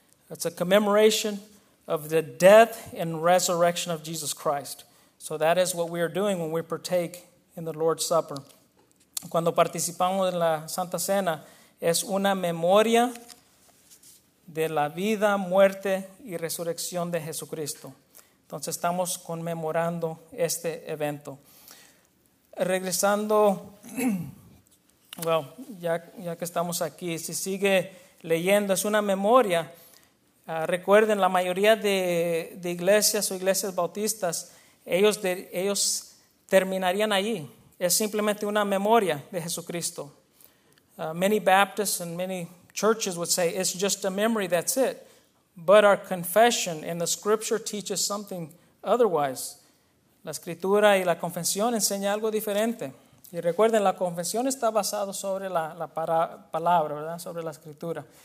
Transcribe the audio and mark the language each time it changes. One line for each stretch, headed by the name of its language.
English: It's a commemoration of the death and resurrection of Jesus Christ. So that is what we are doing when we partake in the Lord's Supper.
Spanish: Cuando participamos en la Santa Cena, es una memoria de la vida, muerte y resurrección de Jesucristo. Entonces estamos conmemorando este evento. Regresando, bueno, ya que estamos aquí, si sigue leyendo, es una memoria. Recuerden, la mayoría de iglesias o iglesias bautistas, ellos terminarían allí. Es simplemente una memoria de Jesucristo.
English: Many Baptists and many churches would say, it's just a memory, that's it. But our confession and the scripture teaches something otherwise.
Spanish: La escritura y la confesión enseña algo diferente. Y recuerden, la confesión está basada sobre la palabra, ¿verdad? Sobre la escritura.